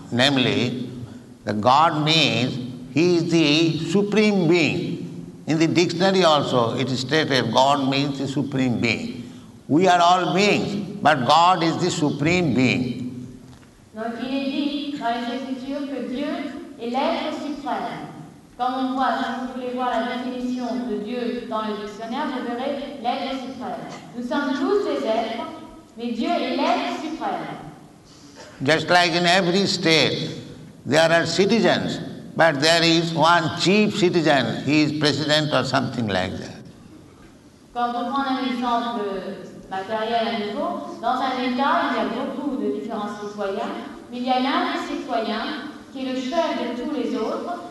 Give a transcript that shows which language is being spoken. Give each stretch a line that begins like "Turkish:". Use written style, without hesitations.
English: Namely, the God means he is the supreme being. In the dictionary also it is stated God means the supreme being. We are all beings, but God is the supreme being.
French: Donc il est dit dans les Écritures que Dieu est l'être suprême. Quand on voit, si vous voulez voir la définition de Dieu dans le dictionnaire, vous verrez l'être suprême. Nous sommes tous des êtres, mais Dieu est l'être suprême.
English: Just like in every state, there are citizens, but there is one chief citizen, he is president or something like that.
French: Quand on prend un exemple matériel à nouveau, dans un État, il y a beaucoup de différents citoyens, mais il y a l'un des citoyens qui est le chef de tous les autres,